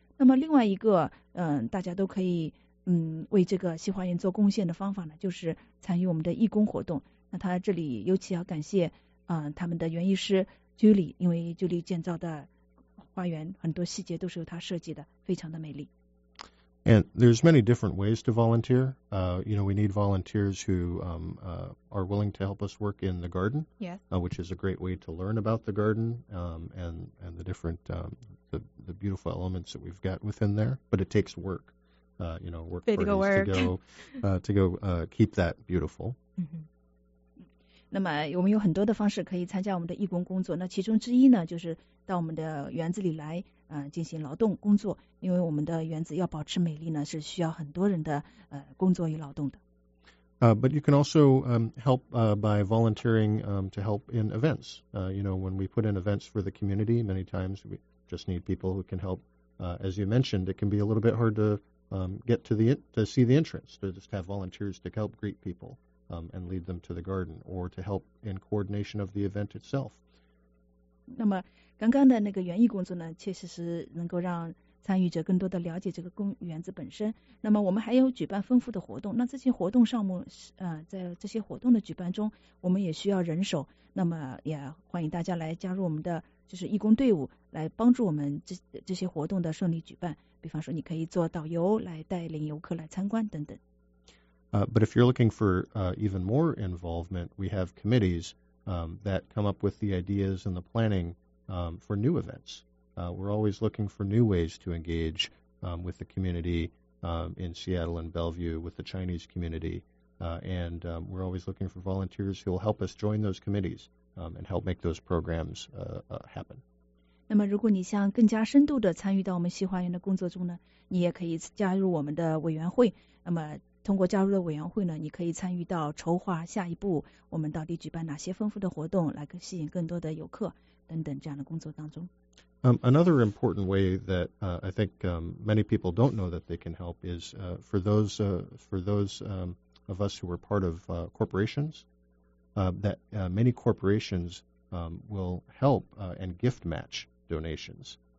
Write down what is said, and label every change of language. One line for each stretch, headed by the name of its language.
Chinese: 那么另外一个大家都可以为这个西花园做贡献的方法呢，就是参与我们的义工活动。那他这里尤其要感谢他们的园艺师居里，因为居里建造的花园很多细节都是由他设计的，非常的美丽。
English: And there's many different ways to volunteer. You know, we need volunteers who are willing to help us work in the garden. Yeah. Which is a great way to learn about the garden and the different the beautiful elements that we've got within there. But it takes work. You know, work parties keep that beautiful.
Chinese: 那么我们有很多的方式可以参加我们的义工工作，那其中之一呢就是到我们的园子里来进行劳动工作，因为我们的园子要保持美丽呢是需要很多人的工作与劳动的。
English: But you can also help by volunteering to help in events. You know, when we put in events for the community, many times we just need people who can help. As you mentioned, it can be a little bit hard to get to see the entrance, to just have volunteers to help greet people and lead them to the garden, or to help in coordination of the event itself.
Chinese: 那么刚刚的那个园艺工作呢，确实是能够让参与者更多的了解这个园子本身。那么我们还有举办丰富的活动，那这些活动项目在这些活动的举办中我们也需要人手，那么也欢迎大家来加入我们的就是义工队伍，来帮助我们这些活动的顺利举办。比方说你可以做导游来带领游客来参观等等。
English: But if you're looking for even more involvement, we have committees that come up with the ideas and the planning for new events. We're always looking for new ways to engage with the community in Seattle and Bellevue, with the Chinese community, and we're always looking for volunteers who will help us join those committees and help make those programs happen.
Chinese: 那么如果你想更加深度地参与到我们西花园的工作中呢，你也可以加入我们的委员会。那么通过加入的委员会呢，你可以参与到筹划下一步我们到底举办哪些丰富的活动，来吸引更多的游客等等这样的工作当中。
English: Another important way that I think many people don't know that they can help is for those of us who are part of corporations, that many corporations will help and gift match donations.